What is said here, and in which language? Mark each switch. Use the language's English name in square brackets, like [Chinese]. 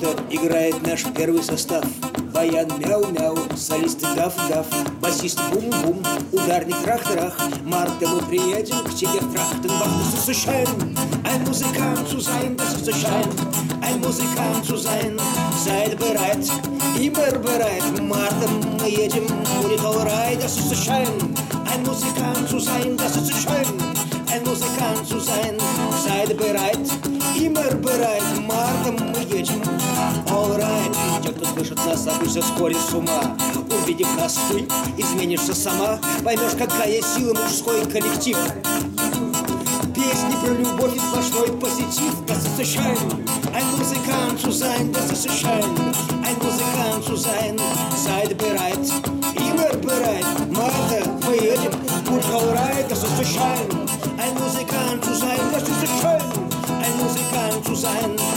[Russian] Играет наш первый состав. Баян мяу-мяу, солист гав-гав, басист бум-бум, ударник трах-трах. Марта, мы приедем к тебе в Трахтенбах. [German] Das ist so schön, ein Musikant zu sein. Das ist so schön, ein Musikant zu sein. Seid bereit, immer bereit. [Russian] Марта, мы едем, будет all right. [German] Das ist so schön, ein Musikant zu sein. Das ist so schön, ein Musikant zu sein. Seid bereit, immer bereit. [Russian] Марта, мы едем. All right. Те, кто слышит нас, забудься вскоре с ума. Увидев нас, ты изменишься сама. Поймешь, какая сила мужской коллектив. Песни про любовь и сплошной позитив. [German] Das ist so schön, ein Musikant zu sein. Das ist so schön, ein Musikant zu sein. Seid bereit, immer bereit. [Russian] Марта, мы едем, будь all right. [German] Das ist so schön, ein Musikant zu sein. Das ist so schön, ein Musikant zu sein.